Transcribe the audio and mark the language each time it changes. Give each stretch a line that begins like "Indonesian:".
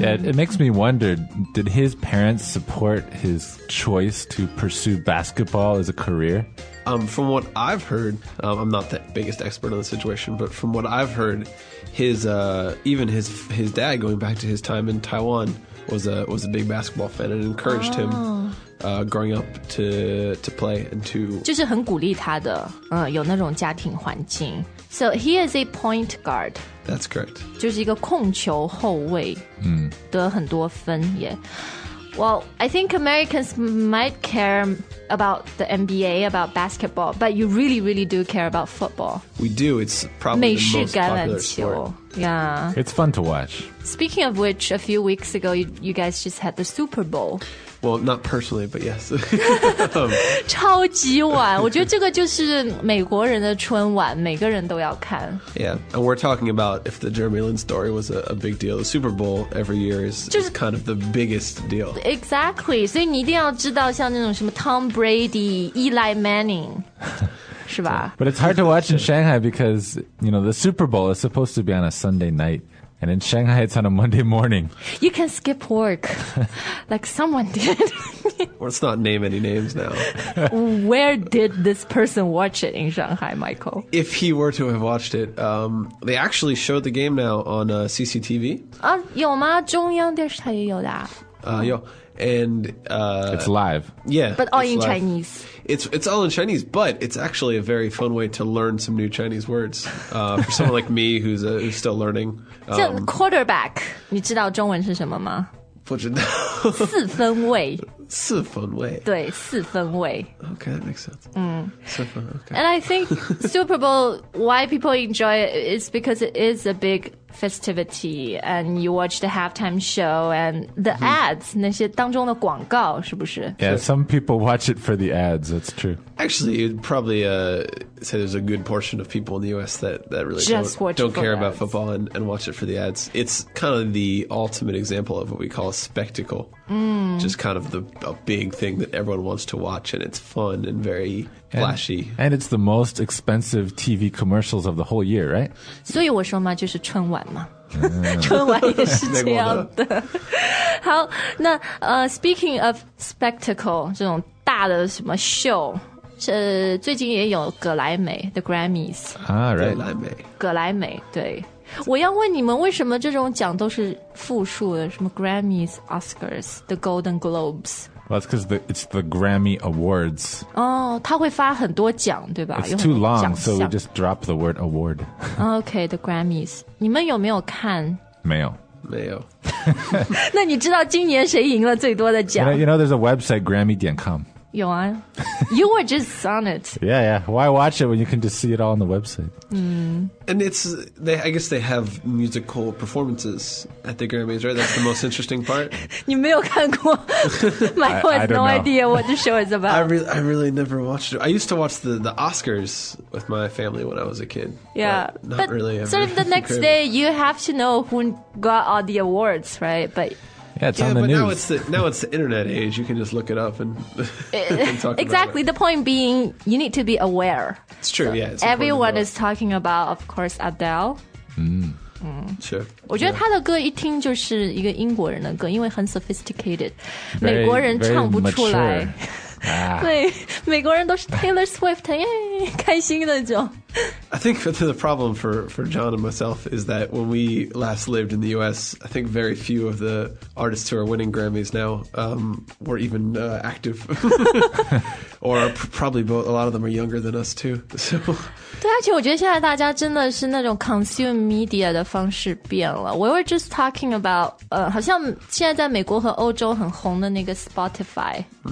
English: Yeah, it makes me wonder, did his parents support his choice to pursue basketball as a career? From what I've heard, I'm not the biggest expert on the situation, but from what I've heard, his dad, going back to his time in Taiwan, was a big basketball fan and encouraged him. Growing up to play and to...
Chinese: 就是很鼓励他的,有那种家庭环境。
English: So he is a point guard. That's correct.
Chinese: 就是一个控球后卫,得很多分也。
English: Well, I think Americans might care about the NBA, about basketball, but you really, really do care about football. We do. It's probably the most popular sport. Yeah. It's fun to watch. Speaking of which, a few weeks ago, you guys just had the Super Bowl. Well, not personally, but yes.
Chinese: 超级晚，我觉得这个就是美国人的春晚，每个人都要看。
English: Yeah, and we're talking about if the Jeremy Lin story was a big deal. The Super Bowl every year is kind of the biggest deal. Exactly,
Chinese: 所以你一定要知道像那种什么 Tom Brady, Eli Manning, 是吧？
English: But it's hard to watch in Shanghai because, you know, the Super Bowl is supposed to be on a Sunday night. And in Shanghai, it's on a Monday morning. You can skip work, like someone did. Let's not name any names now. Where did this person watch it in Shanghai, Michael? If he were to have watched it, they actually showed the game now on CCTV.
Chinese: 啊，有吗？中央电视台也有的。有。
English: And it's live. Yeah. But all in Chinese. It's all in Chinese, but it's actually a very fun way to learn some new Chinese words for someone like me who's still learning. So quarterback,
Chinese: 你知道中文是什么吗？不知道。四分卫。四分卫。对，四分卫。
English: Okay, that makes sense.
Chinese: 四分卫。
English: Okay. And I think Super Bowl, why people enjoy it is because it is a big festivity and you watch the halftime show and the ads,
Chinese: 那些当中的广告是不是?
English: Yeah, some people watch it for the ads, that's true. Actually, you'd probably say there's a good portion of people in the US that really don't care about football and watch it for the ads. It's kind of the ultimate example of what we call a spectacle. Just kind of a big thing that everyone wants to watch and it's fun and very flashy. And it's the most expensive TV commercials of the whole year, right?
Chinese: 所以我说嘛,就是春晚嘛。春晚也是这样的。好,那
English: speaking of spectacle,
Chinese: 这种大的什么秀,最近也有葛莱美,
English: the Grammys. Ah, right.
Chinese: 葛莱美。葛莱美,对。我要问你们为什么这种奖都是复数的,什么 Grammys, Oscars, the Golden Globes?
English: Well, that's because it's the Grammy Awards. Oh,
Chinese: 他会发很多奖,对吧?
English: It's too long, so we just drop the word award. Okay, the Grammys.
Chinese: 你们有没有看? 没有。没有。那你知道今年谁赢了最多的奖?
English: You know, there's a website, grammy.com.
Chinese: 有啊。
English: You were just on it. Yeah, yeah. Why watch it when you can just see it all on the website? And I guess they have musical performances at the Grammys, right? That's the most interesting part.
Chinese: 你没有看过
English: Michael has no idea what the show is about. I really never watched it. I used to watch the Oscars with my family when I was a kid. Yeah. But really ever. Sort of the next day, you have to know who got all the awards, right? But... Yeah, it's on the news. Now it's the internet age. You can just look it up and, and talk exactly, about it. The point being, you need to be aware. It's true, so, yeah. It's everyone is talking about, of course, Adele. Sure.
Chinese: 我觉得他的歌一听就是一个英国人的歌，因为很 sophisticated.
English: Very,
Chinese: 美国人唱不出来。对，美国人都是 Taylor Swift, 耶，开心那种。
English: I think the problem for John and myself is that when we last lived in the US, I think very few of the artists who are winning Grammys now were even active. Or probably both, a lot of them are younger than us too. So.
Chinese: 对，而且我觉得现在大家真的是那种
English: consume media
Chinese: 的方式变了。
English: We were just talking about,
Chinese: 好像现在在美国和欧洲很红的那个 Spotify.